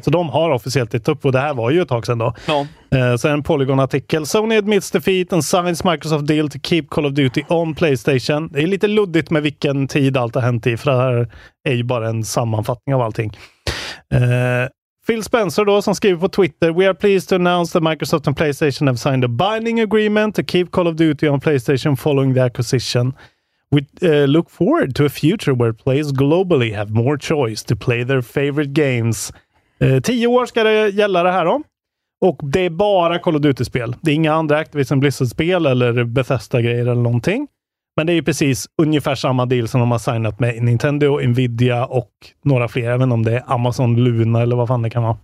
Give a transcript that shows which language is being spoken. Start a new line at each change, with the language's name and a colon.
Swedish: Så de har officiellt gett upp. Och det här var ju ett tag sedan då. Ja. Sen Polygon-artikel.
English: Sony admits defeat and signs Microsoft deal to keep Call of Duty on PlayStation.
Swedish: Det är lite luddigt med vilken tid allt har hänt i. För det här är ju bara en sammanfattning av allting. Phil Spencer då som skriver på Twitter.
English: We are pleased to announce that Microsoft and PlayStation have signed a binding agreement to keep Call of Duty on PlayStation following the acquisition. We look forward to a future where players globally have more choice to play their favorite games.
Swedish: 10 år ska det gälla det här om. Och det är bara Call of Duty-spel. Det är inga andra Activision Blizzard-spel eller Bethesda-grejer eller någonting. Men det är ju precis ungefär samma deal som de har signat med Nintendo, Nvidia och några fler. Även om det är Amazon Luna eller vad fan det kan vara.